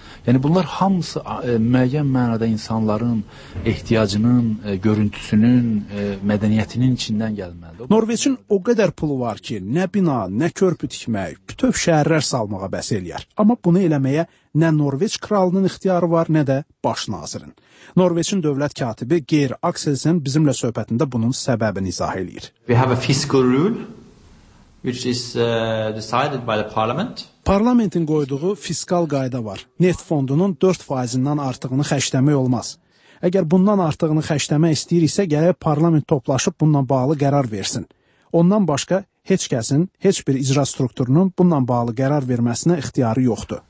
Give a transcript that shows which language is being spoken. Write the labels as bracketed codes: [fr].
[az] Yəni, bunlar hamısı müəyyən mənada insanların ehtiyacının, görüntüsünün, mədəniyyətinin içindən gəlməlidir. Norveçin o qədər pulu var ki, nə bina, nə körpü tikmək, bütöv şəhərlər salmağa bəs eləyər. Amma bunu eləməyə nə Norveç kralının ixtiyarı var, nə də baş nazirin. Norveçin dövlət katibi Geir Axelsen bizimlə söhbətində bunun səbəbini izah eləyir. [en] We have a fiscal rule, which is decided by the parliament. [az] Parlamentin qoyduğu fiskal qayda var. Neft fondunun 4%-dən artığını xərcləmək olmaz. Əgər bundan artığını xərcləmək istəyiriksə, gələk parlament toplaşıb bununla bağlı qərar versin. Ondan başqa heç kəsin, heç bir icra strukturunun bununla bağlı qərar verməsinə ixtiyarı yoxdur.